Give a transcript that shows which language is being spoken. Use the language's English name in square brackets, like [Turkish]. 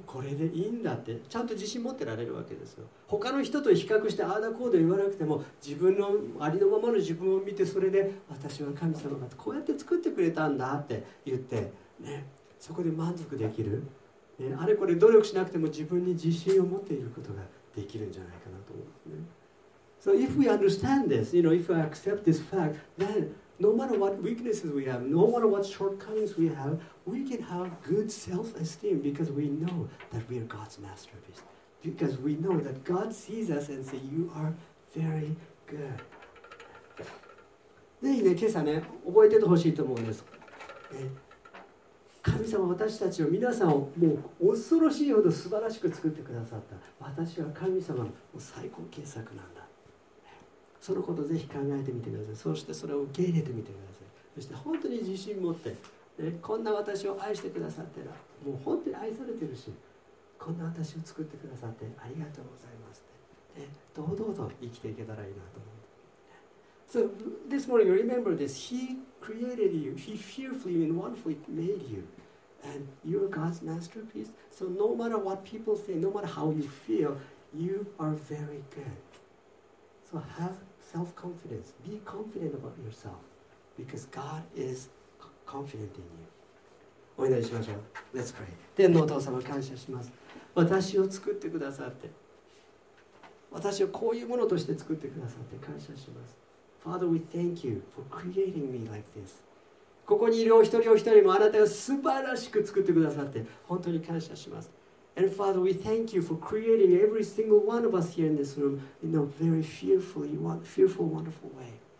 [Japanese] これでいいんだって、ちゃんと自信持ってられるわけですよ。他の人と比較してああだこうだ言わなくても、自分のありのままの自分を見て、それで私は神様がこうやって作ってくれたんだって言って、ね、そこで満足できる。ね、あれこれ努力しなくても自分に自信を持っていることができるんじゃないかなと思うんですね。 [English] So if we understand this, you know, if we accept this fact, then no matter what weaknesses we have, no matter what shortcomings we have, we can have good self-esteem because we know that we are God's masterpiece. Because we know that God sees us and says, You are very good. [Japanese] ぜひね、今朝ね、覚えててほしいと思うんです。ね神様私たちを皆さんをもう恐ろしいほど素晴らしく作ってくださった私は神様の最高傑作なんだそのことをぜひ考えてみてくださいそしてそれを受け入れてみてくださいそして本当に自信持って、ね、こんな私を愛してくださってもう本当に愛されてるしこんな私を作ってくださってありがとうございますって、ね、堂々と生きていけたらいいなと思う [English] So this morning remember this Hecreated you. He fearfully and wonderfully made you. And you're God's masterpiece. So no matter what people say, no matter how you feel, you are very good. So have self-confidence. Be confident about yourself. Because God is confident in you. [Japanese] お祈りしましょう。 [English] Let's pray. [Japanese] 天のお父様、感謝します。私を作ってくださって。私をこういうものとして作ってくださって感謝します。 [English] Father, we thank you for creating me like this. [Japanese] ここにいるお一人お一人もあなたが素晴らしく作ってくださって本当に感謝します。 [English] And Father, we thank you for creating every single one of us here in this room in a very fearfully, fearful, wonderful way.